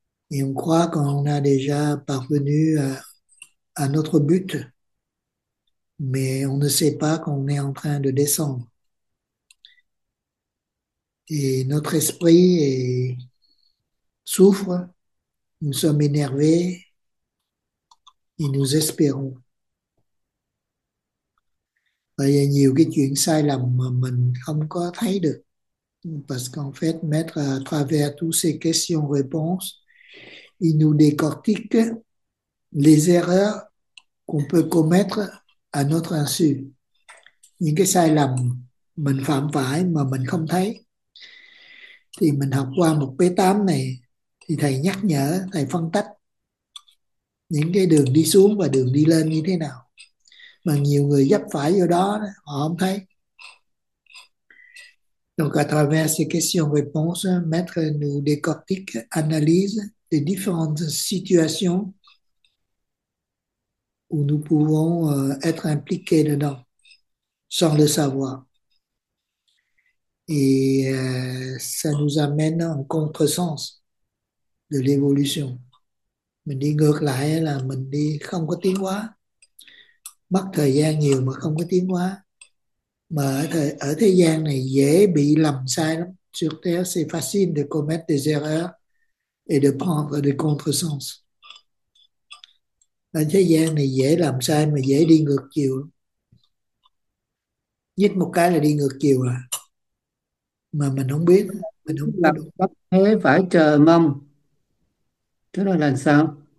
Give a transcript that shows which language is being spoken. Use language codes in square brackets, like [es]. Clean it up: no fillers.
[fr] Et on croit qu'on a déjà parvenu à notre but, mais on ne sait pas qu'on est en train de descendre. Et notre esprit souffre, nous sommes énervés et nous espérons. [vi] Bởi vì nhiều cái chuyện sai lầm mà mình không có thấy được. [fr] Parce qu'en fait, mettre à travers toutes ces questions-réponses, il nous décortique les erreurs qu'on peut commettre à notre insu. [vi] Những cái sai lầm mình phạm phải mà mình không thấy. Thì mình học qua một P8 này, thì thầy nhắc nhở, thầy phân tách những cái đường đi xuống và đường đi lên như thế nào. Mà nhiều người dấp phải vô đó, họ không thấy. [fr] Donc, à travers ces questions-réponses, maître nous décortique, analyse des différentes situations où nous pouvons être impliqués dedans sans le savoir. Et ça nous amène en contresens de l'évolution. [vi] Mình đi ngược lại là mình đi không có tiến hóa, mất thời gian nhiều mà không có tiến hóa. Mà ở thế gian này dễ bị lầm sai lắm. [fr] Sur Terre, c'est facile de commettre des erreurs et de prendre des contresens. [vi] Ở thế gian này dễ làm sai mà dễ đi ngược chiều. Nhích một cái là đi ngược chiều à. Mà mình không biết, mình không Làm có đúng. bất thế phải chờ mong, thế là làm sao?